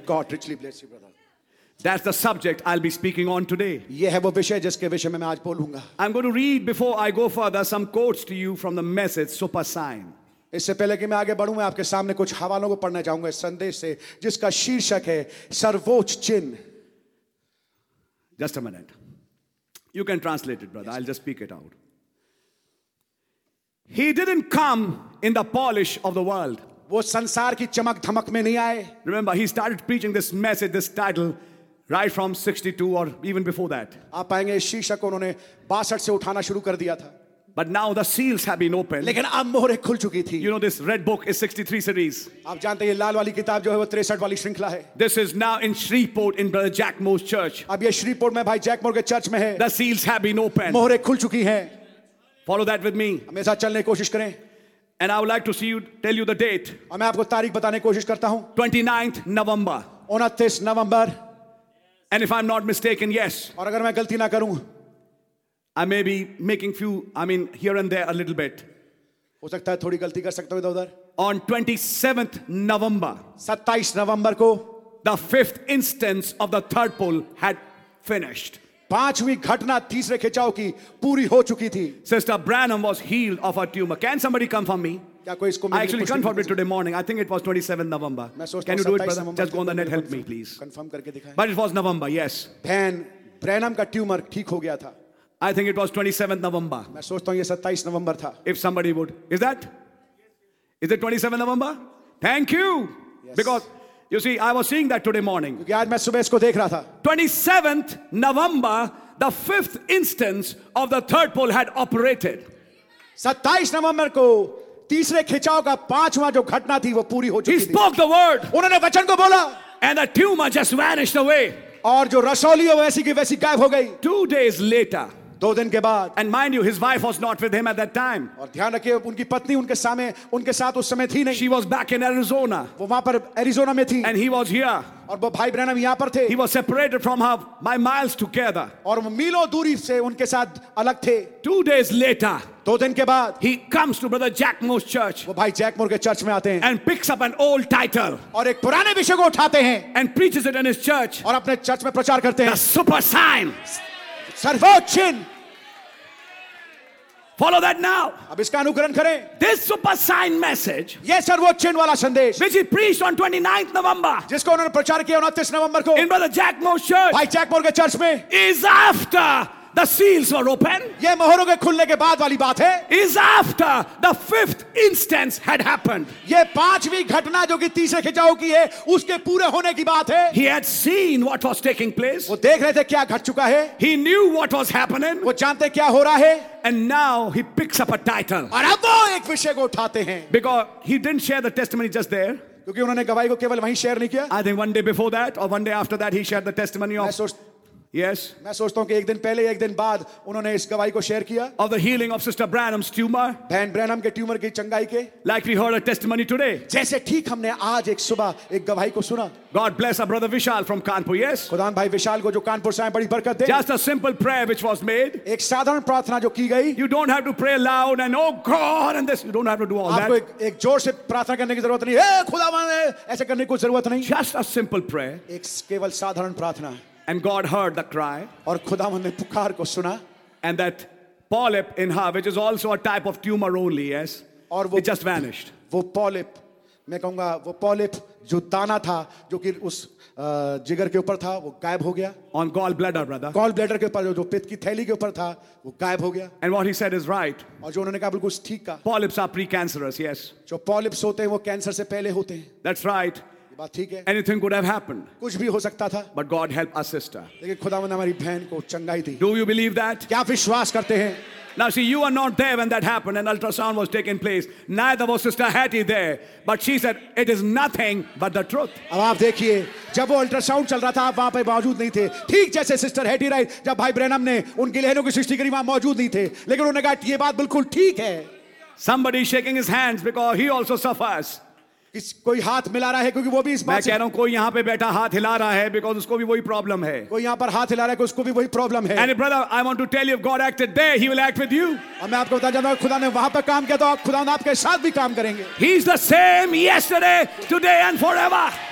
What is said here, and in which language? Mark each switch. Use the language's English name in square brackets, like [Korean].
[English] God richly bless you, brother. That's the subject I'll be speaking on today. [Hindi] ये है वो विषय जिसके विषय में मैं आज बोलूंगा. [English] I'm going to read before I go further some quotes to you from the message Super Sign. [Hindi] इससे पहले कि मैं आगे बढ़ूं मैं आपके सामने कुछ हवालों को पढ़ना चाहूंगा इस संदेश से जिसका शीर्षक है सर्वोच्च चिन्ह. [English] Just a minute. You can translate it, brother. Yes. I'll just speak it out. He didn't come in the polish of the world. [Hindi] वो संसार की चमक धमक में नहीं आए. [English] Remember, he started preaching this message, this title. Right from 62 or even before that. [Hindi] आप पाएंगे शीर्षक उन्होंने 62 से उठाना शुरू कर दिया था. [English] But now the seals have been opened. [Hindi] लेकिन अब मोहरें खुल चुकी थी. [English] You know this red book is 63 series. [Hindi] आप जानते हैं लाल वाली किताब जो है वो 63 वाली श्रृंखला है. [English] This is now in Shreveport in Brother Jack Moore's church. [Hindi] अब ये श्रीपोर्ट में भाई जैक मोर के चर्च में है. [English] The seals have been opened. [Hindi] मोहरें खुल चुकी हैं. [English] Follow that with me. [Hindi] हमें साथ चलने की कोशिश करें. [English] And I would like to see you tell you the date. [Hindi] और मैं आपको तारीख बताने की कोशिश करता हूँ. [English] 29th November. 29 November. And if I'm not mistaken, yes. [Hindi] और अगर मैं गलती ना करूं, [English] I may be making few, I mean, here and there a little bit. [Hindi] हो सकता है थोड़ी गलती कर सकता हूं इधर उधर. [English] On 27th November. [Hindi] 27 नवंबर को. [English] The fifth instance of the third pole had finished. [Hindi] पांचवी घटना तीसरे खिंचाव की पूरी हो चुकी थी. [English] Sister Branham was healed of her tumor. Can somebody confirm me? I actually confirmed it today morning. I think it was 27 November. Can you do it, brother? Just go on the net, help me, please. [Hindi] Confirm करके दिखाएं. [English] But it was November, yes. [Hindi] Then Branham का tumor ठीक हो गया था. [English] I think it was 27 November. [Hindi] मैं सोचता हूँ ये 27 November था. [English] If somebody would, is that? Is it 27 November? Thank you. Yes. Because you see, I was seeing that today morning. [Hindi] क्योंकि आज मैं सुबह इसको देख रहा था. [English] 27th November, the fifth instance of the third pole had operated. [Hindi] 27 November को तीसरे खिंचाव का पांचवा जो घटना थी वो पूरी हो चुकी थी. [English] He spoke the word. [Hindi] उन्होंने वचन को बोला. [English] And the tumor just vanished away. [Hindi] और जो रसौली है वैसी की वैसी गायब हो गई. [English] 2 days later. [Hindi] दो दिन के बाद. [English] And mind you, his wife was not with him at that time. [Hindi] और ध्यान रखिए उनकी पत्नी उनके साथ उस समय थी नहीं. [English] She was back in Arizona. [Hindi] वो वहाँ पर Arizona में थी. [English] And he was here. [Hindi] और वो भाई ब्रैनम यहाँ पर थे. [English] He was separated from her by miles together. [Hindi] और वो मीलों दूरी से उनके साथ अलग थे. [English] 2 days later. [Hindi] दो दिन के बाद. [English] He comes to Brother Jack Moore's church. [Hindi] वो भाई जैक मोर के चर्च में आते हैं. [English] And picks up an old title. [Hindi] और एक पुराने विषय को उठाते हैं. [English] And preaches it in his church. [Hindi] और अपने चर्च में प्रचार करते हैं. [English] The Super Sign. [Hindi] सर्वोच्च चिन्ह. [English] Follow that now. [Hindi] अब इसका अनुकरण करें. [English] This super sign message. [Hindi] ये सर्वोच्च चिन्ह वाला संदेश. [English] Which he preached on 29th November. [Hindi] जिसको उन्होंने प्रचार किया 29 नवंबर को. [English] In Brother Jack Moore's church. [Hindi] भाई जैक मोर के चर्च में. [English] Is after the seals were open. [Hindi] ये मोहरों के खुलने के बाद वाली बात है. [English] Is after the fifth instance had happened. [Hindi] ये पांचवी घटना जो कि तीसरे खिंचाव की है, उसके पूरे होने की बात है. [English] He had seen what was taking place. [Hindi] वो देख रहे थे क्या घट चुका है. [English] He knew what was happening. [Hindi] वो जानते क्या हो रहा है. [English] And now he picks up a title. [Hindi] और अब वो एक विषय को उठाते हैं. [English] Because he didn't share the testimony just there. [Hindi] क्योंकि उन्होंने गवाही को केवल वहीं शेयर नहीं किया. [English] I think one day before that or one day after that he shared the testimony of. Yes. [Hindi] मैं सोचता हूँ कि एक दिन पहले या एक दिन बाद उन्होंने इस गवाही को शेयर किया. [English] Of the healing of Sister Branham's tumor. [Hindi] बहन ब्रैनम के ट्यूमर की चंगाई के. [English] Like we heard a testimony today. [Hindi] जैसे ठीक हमने आज एक सुबह एक गवाही को सुना. [English] God bless our brother Vishal from Kanpur. Yes. [Hindi] खुदान भाई विशाल को जो कानपुर से आए बड़ी बरकत दे. [English] Just a simple prayer which was made. [Hindi] एक साधारण प्रार्थना जो की गई. [English] You don't have to pray loud and oh God and this. You don't have to do all that. [Hindi] आपको एक जोर से प्रार्थना करने की जरूरत नहीं. Hey, खुदावन ऐसे करने की जरूरत नहीं. [English] Just a simple prayer. [Hindi] एक केवल साधारण प्रार्थना. [English] And God heard the cry. [Hindi] और खुदावन ने पुकार को सुना. [English] And that polyp in her, which is also a type of tumor only, yes. [Hindi] और वो [English] it just vanished. [Hindi] वो polyp, मैं कहूँगा वो polyp जो दाना था, जो कि उस जिगर के ऊपर था, वो गायब हो गया. [English] On gallbladder, brother. [Hindi] Gallbladder के ऊपर जो पित्त की थैली के ऊपर था, वो गायब हो गया. [English] And what he said is right. [Hindi] और जो उन्होंने कहा बिल्कुल ठीक कहा. [English] Polyps are precancerous, yes. [Hindi] जो polyps होते हैं, वो cancer से पहले होते हैं. [English] That's right. Anything could have happened. [Hindi] कुछ भी हो सकता था. [English] But God helped our sister. [Hindi] लेकिन खुदावन ने हमारी बहन को चंगाई दी. [English] Do you believe that? [Hindi] क्या आप विश्वास करते हैं? [English] Now see, you are not there when that happened. An ultrasound was taking place. Neither was Sister Hattie there. But she said, "It is nothing but the truth." [Hindi] अब आप देखिए, जब वो अल्ट्रासाउंड चल रहा था, आप वहाँ पे मौजूद नहीं थे. ठीक जैसे सिस्टर हैटी राइट, जब भाई ब्रैनम ने उनकी लहरों की सृष्टि करी, वहाँ मौजूद नहीं थे. लेकिन उन्होंने कहा, ये बात बिल्कुल ठीक है. [English] Somebody shaking his hands because he also suffers. [Hindi] कोई हाथ मिला रहा है क्योंकि वो भी इस बात कह रहा हूं. कोई यहां पे बैठा हाथ हिला रहा है बिकॉज़ उसको भी वही प्रॉब्लम है. कोई यहां पर हाथ हिला रहा है कि उसको भी वही प्रॉब्लम है. [English] And brother I want to tell you, if God acted there he will act with you. [Hindi] और मैं आपको बता देता हूं, खुदा ने वहां पर काम किया तो आप खुदा ने आपके साथ भी काम करेंगे. [English] He is the same yesterday today and forever.